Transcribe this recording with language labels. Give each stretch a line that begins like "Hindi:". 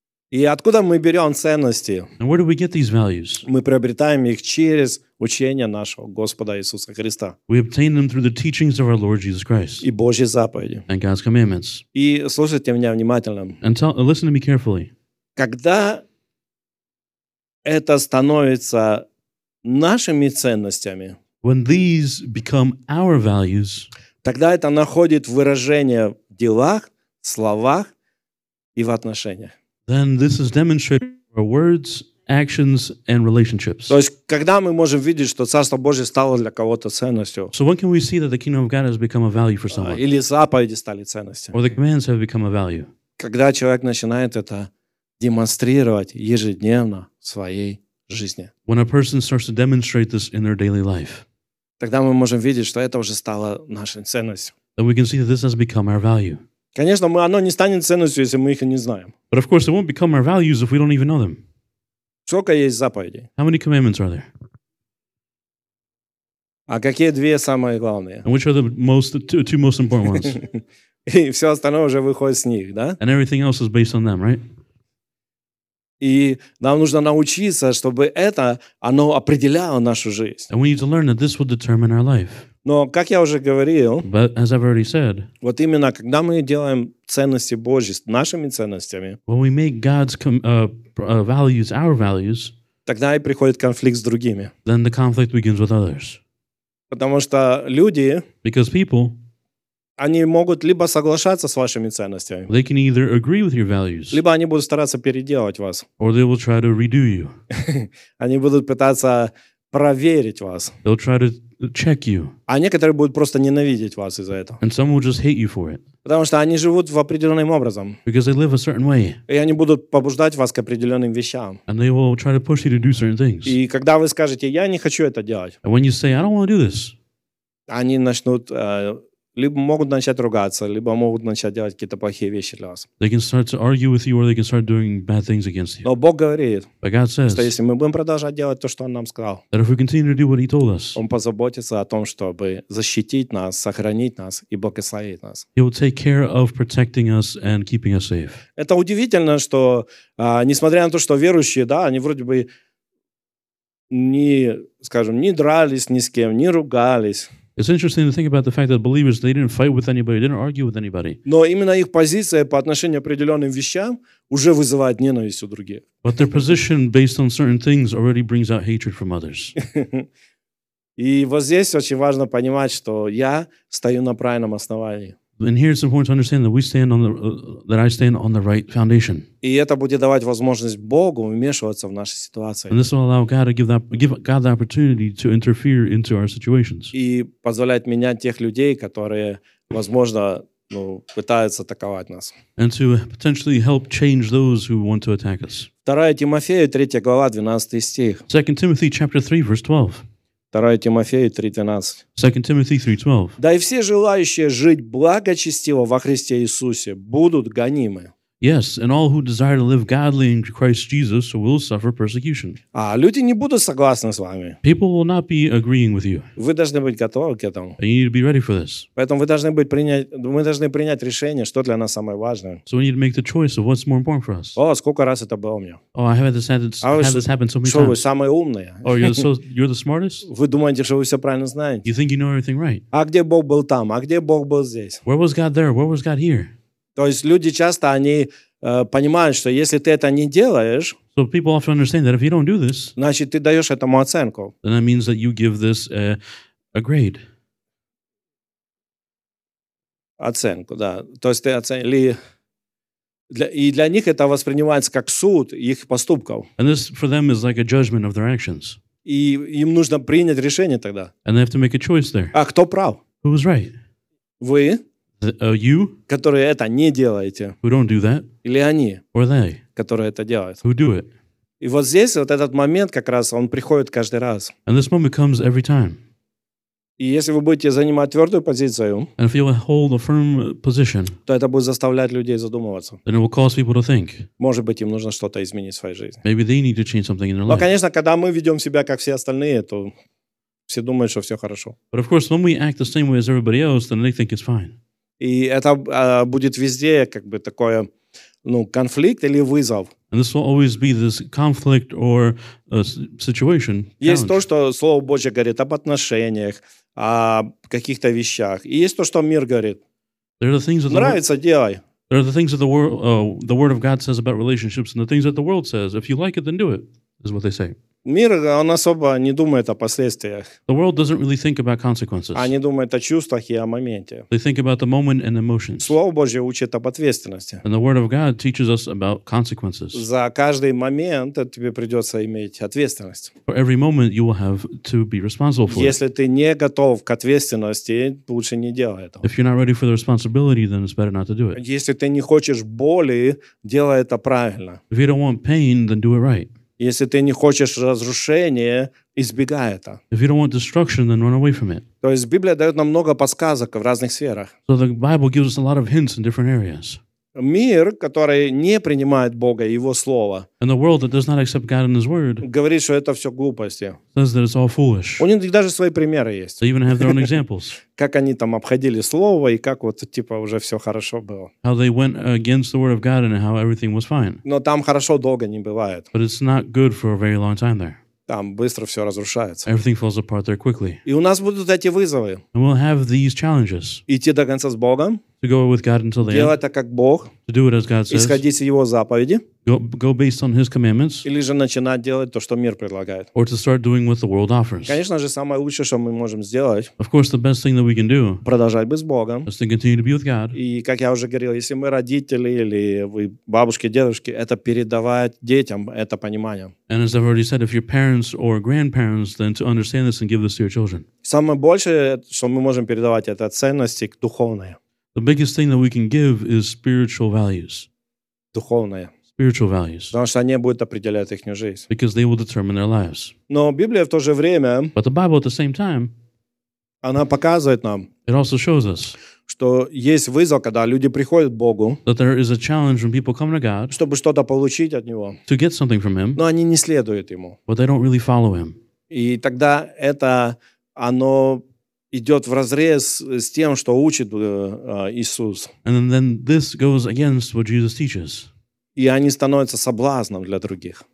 Russian: И откуда мы берем ценности?
English: And where do we get these values?
Russian: Мы приобретаем их через учение нашего Господа Иисуса Христа.
English: We obtain them through the teachings of our Lord Jesus Christ.
Russian: И Божьи заповеди.
English: And God's commandments.
Russian: И слушайте меня внимательно.
English: And listen to me carefully.
Russian: Когда это становится нашими ценностями,
English: when these become our values,
Russian: тогда это находит выражение в делах, словах и в отношениях.
English: Then this is demonstrated by our words, actions, and relationships.
Russian: То есть, когда мы можем видеть, что Царство Божие стало для кого-то ценностью?
English: So when can we see that the kingdom of God has become a value for someone?
Russian: Или заповеди стали ценностью?
English: Or the commands have become a value?
Russian: Когда человек начинает это демонстрировать ежедневно в своей жизни?
English: When a person starts to demonstrate this in their daily life.
Russian: Тогда мы можем видеть, что это уже стало нашей ценностью.
English: Then we can see that this has become our value.
Russian: Конечно, оно не станет ценностью, если мы их не знаем.
English: But of course, it won't become our values if we don't even know them.
Russian: Сколько есть заповедей?
English: How many commandments are there?
Russian: А какие две самые главные?
English: And which are the most, two most important ones?
Russian: И все остальное уже выходит с них, да?
English: And everything else is based on them, right?
Russian: И нам нужно научиться, чтобы это, оно определяло нашу жизнь.
English: And we need to learn that this will determine our life.
Russian: Но, как я уже говорил,
English: But as I've already said,
Russian: вот именно, когда мы делаем ценности Божьи нашими ценностями,
English: when we make God's values our values,
Russian: тогда и приходит конфликт с другими.
English: Then the conflict begins with others.
Russian: Потому что люди,
English: Because people,
Russian: они могут либо соглашаться с вашими ценностями,
English: they can either agree with your values,
Russian: либо они будут стараться переделать вас.
English: Or they will try to redo you.
Russian: Они будут пытаться проверить вас.
English: They'll try to check you.
Russian: А некоторые будут просто ненавидеть вас из-за этого.
English: And some will just hate you for it.
Russian: Потому что они живут в определенном образом.
English: Because they live a certain way.
Russian: И они будут побуждать вас к определенным вещам.
English: And they will try to push you to do certain things.
Russian: И когда вы скажете, я не хочу это делать,
English: And when you say, I don't want to do this,
Russian: они начнут... Либо могут начать ругаться, либо могут начать делать какие-то плохие вещи для вас.
English: They can start to argue with you, or they can start doing bad things against you.
Russian: Но Бог говорит,
English: But God says,
Russian: что если мы будем продолжать делать то, что Он нам сказал,
English: that if we continue to do what He told us,
Russian: Он позаботится о том, чтобы защитить нас, сохранить нас и благословить нас.
English: He will take care of protecting us and keeping us safe.
Russian: Это удивительно, что несмотря на то, что верующие, да, они вроде бы не, скажем, не дрались ни с кем, не ругались.
English: It's interesting to think about the fact that believers, they didn't fight with anybody, they didn't argue with anybody.
Russian: Но именно их позиция по отношению к определенным вещам уже вызывает ненависть у других.
English: But their position based on certain things already brings out hatred from others.
Russian: И вот здесь очень важно понимать, что я стою на правильном основании.
English: And here it's important to understand that we stand on the that I stand on the right foundation.
Russian: И это будет давать возможность Богу вмешиваться в наши ситуации.
English: And this will allow God to give God the opportunity to interfere into our situations.
Russian: И позволять менять тех людей, которые, возможно, ну, пытаются атаковать нас.
English: And to potentially help change those who want to attack us.
Russian: 2 Тимофею, 3 глава, 12 стих.
English: 2 Timothy chapter 3 verse 12.
Russian: 2 Тимофею 3:12.
English: 2 Timothy 3:12.
Russian: Да и все желающие жить благочестиво во Христе Иисусе будут гонимы.
English: Yes, and all who desire to live godly in Christ Jesus will suffer persecution.
Russian: А люди не будут согласны с вами.
English: People will not be agreeing with you.
Russian: Вы должны быть готовы к этому.
English: And you need to be ready for this.
Russian: Поэтому мы должны принять решение, что для нас самое важное.
English: So we need to make the choice of what's more important for us.
Russian: О, сколько раз это было у меня.
English: Oh, I have had this happen so many times.
Russian: Что вы самые умные?
English: Oh, you're the smartest?
Russian: Вы думаете, что вы все правильно знаете?
English: You think you know everything right?
Russian: А где Бог был там? А где Бог был здесь?
English: Where was God there? Where was God here?
Russian: То есть люди часто они понимают, что если ты это не делаешь,
English: so people often understand that if you don't do this,
Russian: значит ты даешь этому оценку.
English: Then that means that you give this a grade.
Russian: Оценку, да. То есть ты оценили. И для них это воспринимается как суд их поступков.
English: And this for them is like a judgment of their actions.
Russian: И им нужно принять решение тогда.
English: And they have to make a choice there.
Russian: А кто прав?
English: Who's right?
Russian: Вы?
English: You,
Russian: которые это не делаете,
English: who don't do that,
Russian: или они,
English: or they,
Russian: которые это делают.
English: Who do it.
Russian: И вот здесь вот этот момент как раз он приходит каждый раз.
English: And this moment comes every time.
Russian: И если вы будете занимать твердую позицию,
English: and if you hold a firm position,
Russian: то это будет заставлять людей задумываться.
English: Then it will cause people to think.
Russian: Может быть, им нужно что-то изменить в своей жизни.
English: Maybe they need to change something in their
Russian: Но,
English: life.
Russian: Конечно, когда мы ведем себя как все остальные, то все думают, что все хорошо.
English: But of course, when we act the same way as everybody else, then they think it's fine.
Russian: И это будет везде как бы такое, ну, конфликт или вызов.
English: And this will always be this conflict or situation.
Russian: Есть challenge. То, что Слово Божье говорит об отношениях, о каких-то вещах. И есть то, что мир говорит.
English: There are the things that
Russian: нравится,
English: the
Russian: делай.
English: There are the things that the Word of God says about relationships and the things that the world says. If you like it, then do it, is what they say.
Russian: Мир, он особо не думает о последствиях.
English: The world doesn't really think about consequences.
Russian: Они думают о чувствах и о моменте.
English: They think about the moment and emotions.
Russian: Слово Божье учит об ответственности.
English: And the Word of God teaches us about consequences.
Russian: За каждый момент тебе придется иметь ответственность.
English: For every moment you will have to be responsible for it.
Russian: Если ты не готов к ответственности, лучше не делай этого.
English: If you're not ready for the responsibility, then it's better not to do it.
Russian: Если ты не хочешь боли, делай это правильно.
English: If you don't want pain, then do it right.
Russian: Если ты не хочешь разрушения, избегай это.
English: If you don't want destruction, then run away from it.
Russian: То есть Библия дает нам много подсказок в разных сферах.
English: So the Bible gives us a lot of hints in different areas.
Russian: Мир, который не принимает Бога и Его Слово,
English: and the world that does not accept God and His Word,
Russian: говорит, что это все глупости.
English: Says that it's all foolish.
Russian: У них даже свои примеры есть.
English: They even have their own examples.
Russian: Как они там обходили Слово и как вот типа уже все хорошо было.
English: How they went against the Word of God and how everything was fine.
Russian: Но там хорошо долго не бывает.
English: But it's not good for a very long time there.
Russian: Там быстро все разрушается.
English: Everything falls apart there quickly.
Russian: И у нас будут эти вызовы.
English: And we'll have these challenges.
Russian: Идти до конца с Богом.
English: To go with God until the
Russian: Делать
English: end.
Russian: Это как Бог.
English: To do it as God says.
Russian: Исходить из Его заповеди.
English: Go based on His commandments.
Russian: Или же начинать делать то, что мир предлагает.
English: Or to start doing what the world offers.
Russian: Конечно же, самое лучшее, что мы можем сделать.
English: Of course, the best thing that we can do.
Russian: Продолжать быть с Богом.
English: Is to continue to be with God.
Russian: И как я уже говорил, если мы родители или вы бабушки, дедушки, это передавать детям это понимание.
English: And as I've already said, if you're parents or grandparents, then to understand this and give this to your children.
Russian: Самое большее, что мы можем передавать, это ценности духовные.
English: The biggest thing that we can give is spiritual values.
Russian: Духовные.
English: Spiritual values.
Russian: Потому что они будут определять их жизнь.
English: Because they will determine their lives.
Russian: Но Библия в то же время,
English: but the Bible at the same time,
Russian: она показывает нам,
English: it also shows us,
Russian: что есть вызов, когда люди приходят к Богу,
English: that there is a challenge when people come to God,
Russian: чтобы что-то получить от Него,
English: to get something from Him,
Russian: но они не следуют Ему.
English: But they don't really follow Him.
Russian: И тогда это, оно идет вразрез с тем, что учит Иисус.
English: And then this goes against what Jesus teaches.
Russian: И они становятся соблазном для других.